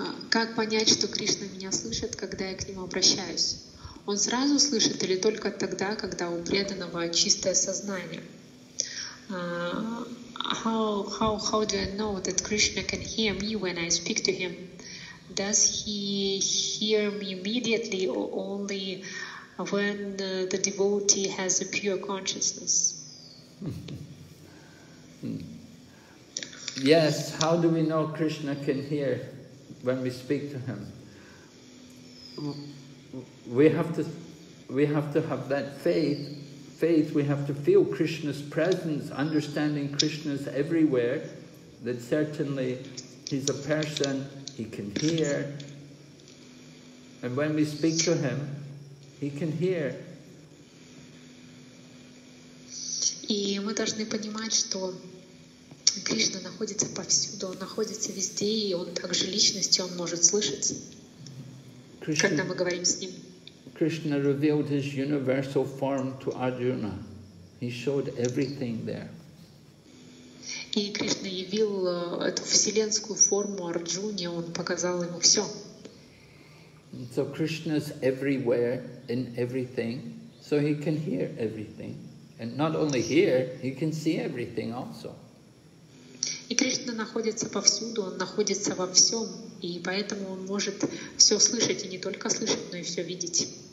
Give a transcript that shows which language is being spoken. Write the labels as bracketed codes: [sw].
[ru] Как понять, что Кришна меня слышит, когда я к нему обращаюсь? Он сразу слышит или только тогда, когда у преданного чистое сознание? [en] How do I know that Krishna can hear me when I speak to him? Does he hear me immediately or only when the devotee has a pure consciousness? Yes, how do we know Krishna can hear when we speak to him? We have to have that faith, we have to feel Krishna's presence, understanding Krishna's everywhere, that certainly he's a person, he can hear. And when we speak to him, he can hear. [ru] И мы должны понимать, что Кришна находится повсюду, он находится везде, и он также личность, и он может слышать, Krishna, когда мы говорим с ним. [en] Krishna revealed his universal form to Arjuna. He showed everything there. [ru] И Кришна явил эту вселенскую форму Арджуне, он показал ему все. [en] So Krishna's everywhere in everything, so he can hear everything. And not only here, he can see everything also. [ru] И Кришна находится повсюду, он находится во всем, и поэтому он может все слышать, и не только слышать, но и все видеть.